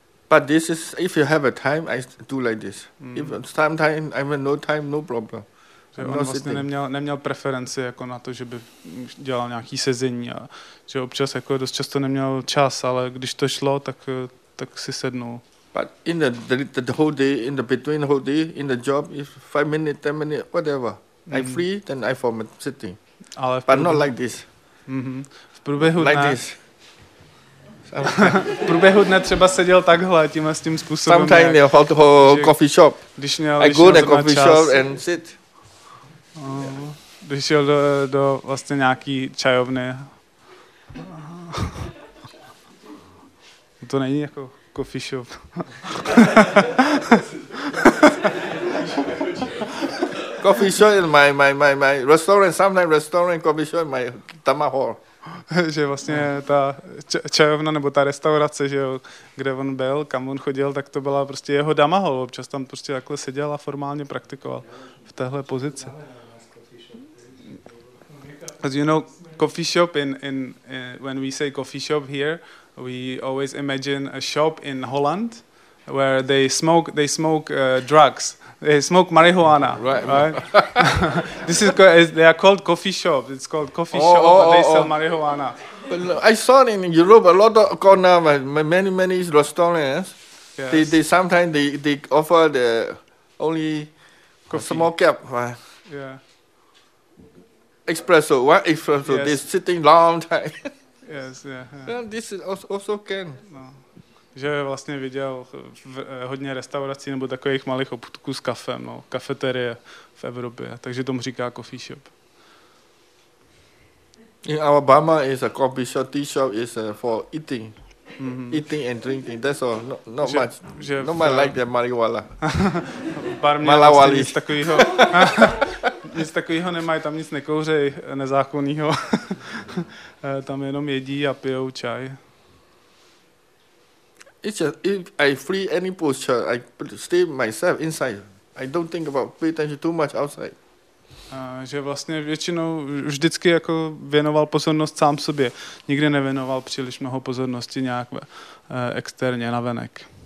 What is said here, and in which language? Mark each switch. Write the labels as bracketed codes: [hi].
[en] But this is, if you have a time, I do like this. If sometimes I have no time, no problem. [cs] Že on vlastně neměl preferenci jako na to, že by dělal nějaký sezení a že občas jako dost často neměl čas, ale když to šlo, tak si sednul. [en] But in the whole day, in the between whole day, in the job, if 5 minutes, 10 minutes, whatever, I free, then I form a sitting. [cs] Ale [en] but not like this. [cs] V průběhu [en] like [cs] dne. [en] This. [cs] V průběhu dne třeba seděl takhle, tímhle s tím způsobem. [en] Sometimes I fall to a coffee shop. [cs] Když měl, [en] I go to coffee shop and sit. [cs] Když šel do vlastně nějaký čajovny. To není jako coffee shop. [en] Coffee shop in my restaurant, sometimes restaurant, coffee shop in my tamá hall. [cs] Že vlastně ta čajovna nebo ta restaurace, že jo, kde on byl, kam on chodil, tak to byla prostě jeho dama hall. Občas tam prostě takhle seděl a formálně praktikoval v téhle pozici. [en] As you know, coffee shop when we say coffee shop here, we always imagine a shop in Holland where they smoke drugs. They smoke marijuana, right? This is they are called coffee shop. It's called coffee shop. They sell marijuana. I saw in Europe a lot of corner, many restaurants. Yes. They sometimes they offer the only coffee. Small cup. Right? Yeah. Espresso. What espresso? Yes. They're sitting long time. Yes. Yeah. Yeah. This is also can. No. [cs] Že vlastně viděl hodně restaurací nebo takových malých obchůdků s kafem, no, kafeterie v Evropě, takže tomu říká coffee shop. [en] In Alabama is a coffee shop, tea shop is for eating, eating and drinking, that's all, not much like the marijuana. [cs] Barmě vlastně nic takovýho nemají, tam nic nekouřej nezákonnýho, tam jenom jedí a pijou čaj. [en] It's just if I free any posture, I stay myself inside. I don't think about pay attention too much outside. [cs] Že vlastně většinou vždycky jako věnoval pozornost sám sobě. Nikdy nevěnoval příliš mnoho pozornosti nějak externě na venek.